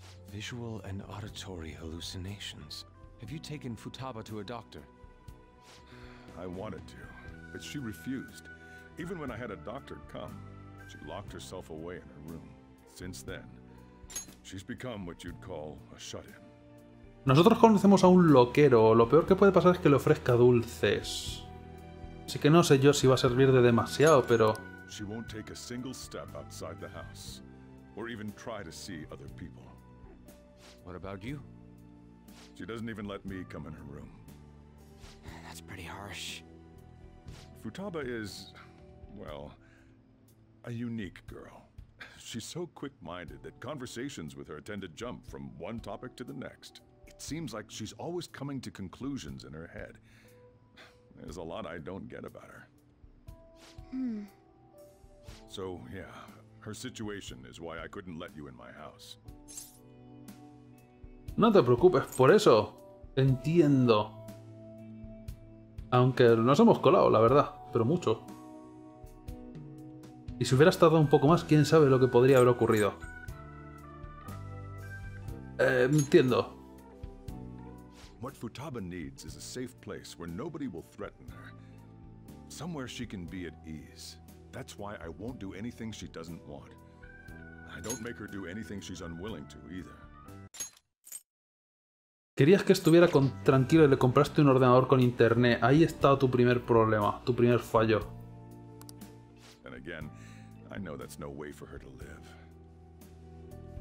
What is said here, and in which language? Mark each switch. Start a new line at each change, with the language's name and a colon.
English: Visual and auditory hallucinations. Have you taken Futaba to a doctor? I wanted to, but she refused. Even when I had a doctor come, she locked herself away in her room. Since then, she's become what you'd call a shut-in.
Spanish: Nosotros conocemos a un loquero. Lo peor que puede pasar es que le ofrezca dulces. Así que no sé yo si va a servir de demasiado, pero...
English: She won't take a single step outside the house, or even try to see other people. What about you? She doesn't even let me come in her room. That's pretty harsh. Futaba is... Well, a unique girl. She's so quick-minded that conversations with her tend to jump from one topic to the next. It seems like she's always coming to conclusions in her head. There's a lot I don't get about her. So, yeah, her situation is why I couldn't let you in my house.
Spanish: No te preocupes, por eso. Entiendo. Aunque nos hemos colado, la verdad, pero mucho. Y si hubieras tardado un poco más, quién sabe lo que podría haber ocurrido. Entiendo.
English: What Futaba needs is a safe place where nobody will threaten her. Somewhere she can be at ease. That's why I won't do anything she doesn't want. I don't make her do anything she's unwilling to either.
Spanish: Querías que estuviera tranquilo y le compraste un ordenador con internet. Ahí está tu primer problema, tu primer fallo.
English: And again, I know that's no way for her to live.